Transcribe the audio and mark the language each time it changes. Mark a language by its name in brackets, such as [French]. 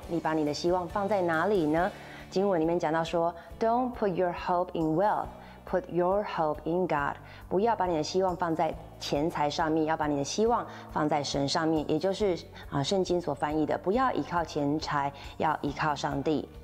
[Chinese] 你把你的希望放在哪里呢？经文里面讲到说 [English] ，Don't put your hope in wealth, put your hope in God. [Chinese] 不要把你的希望放在钱财上面，要把你的希望放在神上面，也就是圣经所翻译的，不要依靠钱财，要依靠上帝。